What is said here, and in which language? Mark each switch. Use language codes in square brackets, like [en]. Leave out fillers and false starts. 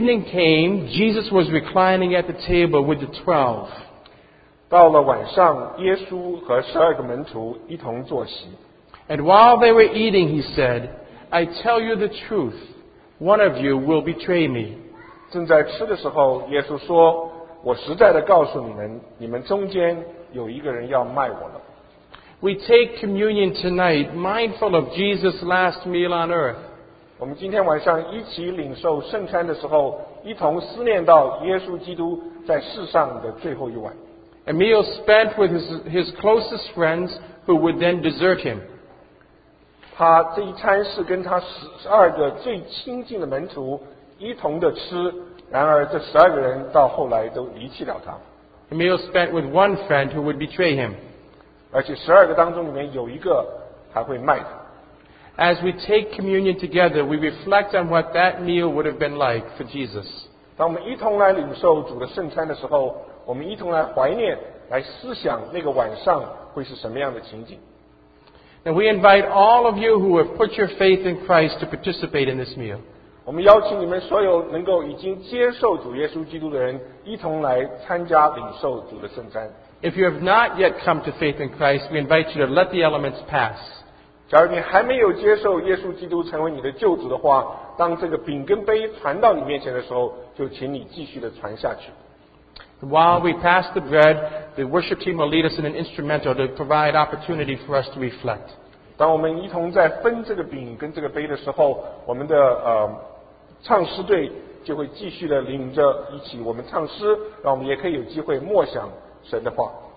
[en] came, Jesus was reclining at the table with the 12. [zh] 到了晚上，耶稣和十二个门徒一同坐席。 [en] And while they were eating, he said, I tell you the truth, one of you will betray me. [zh] 正在吃的时候，耶稣说，我实在地告诉你们，你们中间有一个人要卖我了。 [en] We take communion tonight, mindful of Jesus' last meal on earth. [zh] 我们今天晚上一起领受圣餐的时候，一同思念到耶稣基督在世上的最后一晚。 [en] A meal spent with his closest friends who would then desert him. [zh] 他这一餐是跟他十二个最亲近的门徒一同的吃，然而这十二个人到后来都离弃了他。 [en] A meal spent with one friend who would betray him. [zh] 而且十二个当中里面有一个还会卖他。 [en] As we take communion together, we reflect on what that meal would have been like for Jesus. [zh] 当我们一同来领受主的圣餐的时候，我们一同来怀念，来思想那个晚上会是什么样的情景。 [en] And we invite all of you who have put your faith in Christ to participate in this meal. [zh] 我们邀请你们所有能够已经接受主耶稣基督的人一同来参加领受主的圣餐。 [en] If you have not yet come to faith in Christ, we invite you to let the elements pass. [zh] 假如你还没有接受耶稣基督成为你的救主的话，当这个饼跟杯传到你面前的时候，就请你继续的传下去。 [en] While we pass the bread, the worship team will lead us in an instrumental to provide opportunity for us to reflect. [zh] 当我们一同在分这个饼跟这个杯的时候，我们的唱诗队就会继续的领着一起我们唱诗，让我们也可以有机会默想神的话。